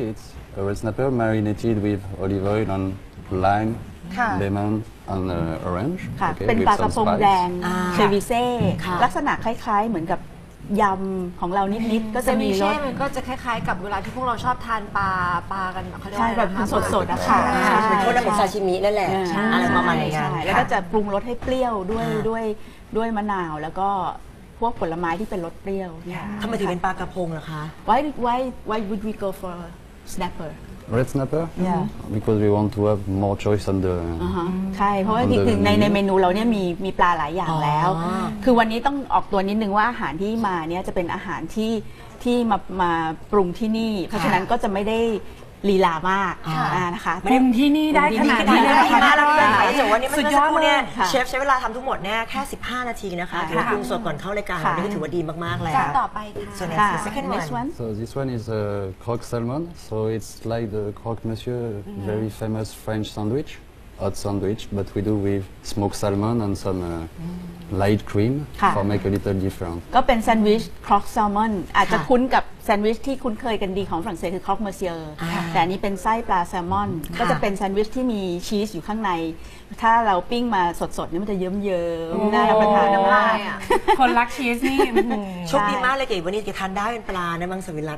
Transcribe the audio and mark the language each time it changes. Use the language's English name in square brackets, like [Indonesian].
[English] It's a red snapper marinated with olive oil and lime, lemon and orange. [Thai] Okay, เป็นปลากระพงแดงเชวิเซ่ลักษณะคล้ายๆเหมือนกับยำของเรานิดๆก็จะมีรส เชวิเซ่มันก็จะคล้ายๆกับเวลาที่พวกเราชอบทานปลากันเขาเรีย ก ว่าแบบสดๆนะคะ ใช่เป็นพวกซาชิมินั่นแหละอะไรประมาณนี้แล้วก็จะปรุงรสให้เปรี้ยวด้วยมะนาวแล้วก็พวกผลไม้ที่เป็นรสเปรี้ยว ทำไมถึงเป็นปลากระพงล่ะคะ [English] Why would we go for snapper red snapper yeah because we want to have more choice on the [Thai] ใช่เพราะว่าจริงๆในเมนูเราเนี่ยมีปลาหลายอย่างแล้วคือวันนี้ต้องออกตัวนิดนึงว่าอาหารที่มาเนี่ยจะเป็นอาหารที่มาปรุงที่นี่เพราะฉะนั้นก็จะไม่ได้ลีลามากนะคะ ปรุงที่นี่ได้ขนาดนี้ เลย ค่ะ มาแล้วค่ะแต่ว่านี่มันจะสักครู่เนี่ยเชฟใช้เวลาทำทั้งหมดเนี่ยแค่15นาทีนะคะถือว่าปรุงสดก่อนเข้ารายการนี่ถือว่าดีมากๆแล้ว ต่อไปค่ ะ [English] second one so this one is a croque salmon so it's like the croque monsieur very famous French sandwich hot sandwich but we do with smoked salmon and some light cream for make a little different [Thai] ก็เป็นแซนด์วิชครอกแซลมอนอาจจะคุ้นกับแซนด์วิชที่คุ้นเคยกันดีของฝรั่งเศสคือครอกเมอร์เซียร์ แต่นี้เป็นไส้ปลาแซลมอนก็จะเป็นแซนด์วิชที่มีชีสอยู่ข้างในถ้าเราปิ้งมาสดๆนี่มันจะเยิ้มๆน่ารับประทานมาก คนรักชีสนี่โชคดีมากเลยเก๋วันนี้เก๋ทานได้เป็นปลาในมังสวิรัติ